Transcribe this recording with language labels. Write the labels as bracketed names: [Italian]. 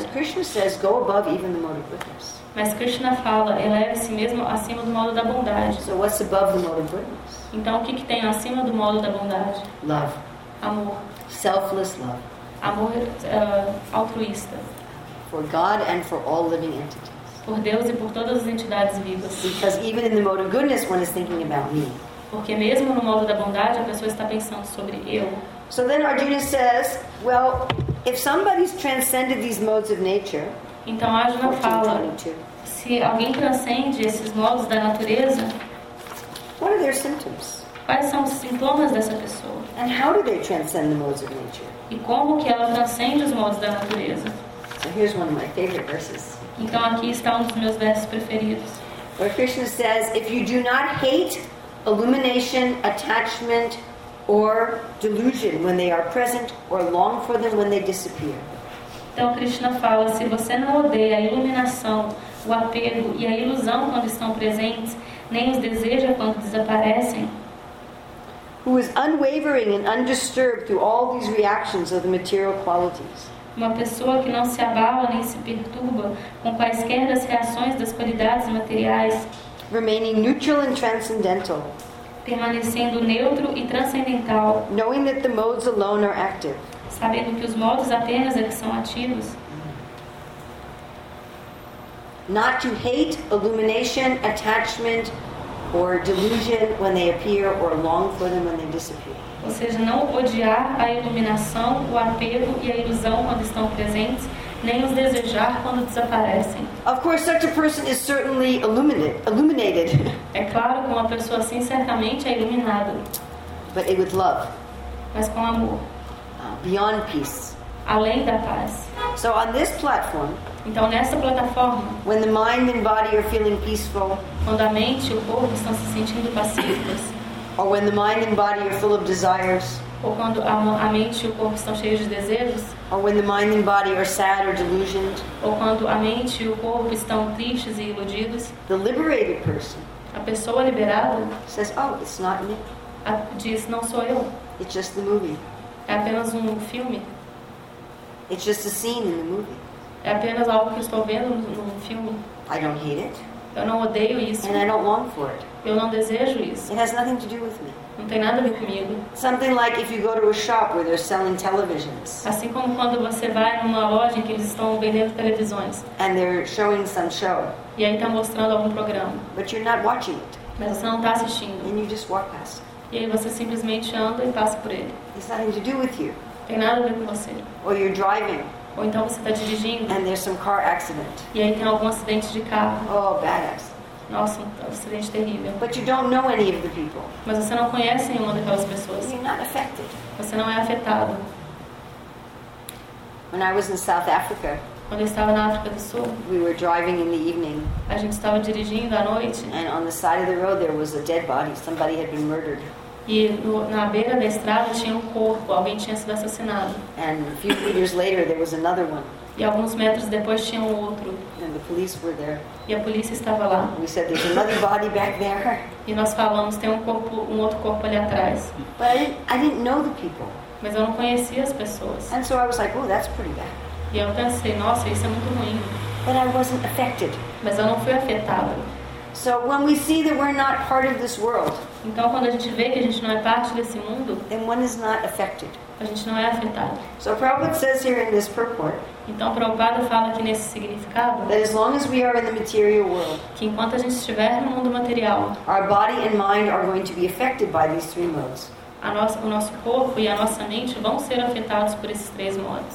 [English] But Krishna says, go above even the mode of goodness. [Portuguese] Mas Krishna fala, eleve-se mesmo acima do modo da bondade. [English] So what's above the mode of goodness? [Portuguese] Então o que que tem acima do modo da bondade? [English] Love. [Portuguese] Amor. [English] Selfless love. [Portuguese] Amor altruísta. [English] For God and for all living entities. [Portuguese] Por Deus e por todas as entidades vivas. [English] Because even in the mode of goodness, one is thinking about me. [Portuguese] Porque mesmo no modo da bondade, a pessoa está pensando sobre eu. [English] So then Arjuna says, well, if somebody's transcended these modes of nature, [Portuguese] então Arjuna fala, se alguém transcende esses modos da natureza, [English] what are their symptoms? [Portuguese] Quais são os sintomas dessa pessoa? [English] And how do they transcend the modes of nature? [Portuguese] E como que ela transcende os modos da natureza? [English] So here's one of my favorite verses. [Portuguese] Então aqui está um dos meus versos preferidos. [English] Where Krishna says, if you do not hate illumination, attachment, or delusion when they are present, or long for them when they disappear. [Portuguese] Então Krishna fala, se você não odeia a iluminação, o apego e a ilusão quando estão presentes, nem os deseja quando desaparecem. [English] Who is unwavering and undisturbed through all these reactions of the material qualities? [Portuguese] Uma pessoa que não se abala nem se perturba com quaisquer das reações das qualidades materiais. [English] Remaining neutral and transcendental. [Portuguese] Permanecendo neutro e transcendental. [English] Knowing that the modes alone are active. [Portuguese] Sabendo que os modos apenas é que são ativos. [English] Not to hate illumination, attachment, or delusion when they appear, or long for them when they disappear. [Portuguese] Ou seja, não odiar a iluminação, o apego e a ilusão quando estão presentes, nem os desejar quando desaparecem. [English] Of course, such a person is certainly illuminated. [Portuguese] É claro que uma pessoa assim certamente é iluminada. [English] But with love. [Portuguese] Mas com amor. [English] Beyond peace. [Portuguese] Além da paz. [English] So on this platform. [Portuguese] Então nessa plataforma. [English] When the mind and body are feeling peaceful. [Portuguese] Quando a mente e o corpo estão se sentindo pacíficos. [English] Or when the mind and body are full of desires. [Portuguese] Ou quando a mente e o corpo estão cheios de desejos. [English] Or when the mind and body are sad or delusioned. [Portuguese] Ou quando a mente e o corpo estão tristes e iludidos. [English] The liberated person. [Portuguese] A pessoa liberada. [English] Says, oh, it's not me. [Portuguese] Diz, não sou eu. [English] It's just the movie. [Portuguese] É apenas um filme. [English] It's just a scene in the movie. [Portuguese] É apenas algo que estou vendo num filme. [English] I don't hate it. [Portuguese] Eu não odeio isso. [English] And I don't long for it. [Portuguese] Eu não desejo isso. [English] It has nothing to do with me. [Portuguese] Não tem nada a ver comigo. [English] Something like if you go to a shop where they're selling televisions. [Portuguese] Assim como quando você vai numa loja que eles estão vendendo televisões. [English] And they're showing some show. [Portuguese] E aí tá mostrando algum programa. [English] But you're not watching it. [Portuguese] Mas você não tá assistindo. [English] And you just walk past. [Portuguese] E aí você simplesmente anda e passa por ele. [English] It's nothing to do with you. [Portuguese] Tem nada a ver com você. [English] Or you're driving. [Portuguese] Ou então você está dirigindo. [English] And there's some car accident. [Portuguese] E aí tem algum acidente de carro. [English] Oh, badass. [Portuguese] Nossa, um acidente terrível. [English] But you don't know any of the people. [Portuguese] Mas você não conhece nenhuma daquelas pessoas. [English] You're not affected. [Portuguese] Você não é afetado. [English] When I was in South Africa, [Portuguese] quando eu estava na África do Sul, [English] we were driving in the evening, [Portuguese] a gente estava dirigindo à noite. [English] And on the side of the road there was a dead body. Somebody had been murdered. [Portuguese] E na beira da estrada tinha um corpo, alguém tinha sido assassinado. [English] And a few meters later there was another one. [Portuguese] E alguns metros depois tinha um outro. [English] And the police were there. [Portuguese] E a polícia estava lá. [English] We said, there's another body back there. [Portuguese] E nós falamos, tem um outro corpo ali atrás. [English] But I didn't know the people. [Portuguese] Mas eu não conhecia as pessoas. [English] And so I was like, oh, that's pretty bad. [Portuguese] E eu pensei, nossa, isso é muito ruim. [English] But I wasn't affected. [Portuguese] Mas eu não fui afetada. [English] So when we see that we're not part of this world, [Portuguese] então quando a gente vê que a gente não é parte desse mundo, [English] then one is not affected. [Portuguese] A gente não é afetado. [English] So Prabhupada says here in this purport, [Portuguese] então Prabhupada fala aqui nesse significado, [English] that as long as we are in the material world, [Portuguese] que enquanto a gente estiver no mundo material, [English] our body and mind are going to be affected by these three modes. [Portuguese] O nosso corpo e a nossa mente vão ser afetados por esses três modos.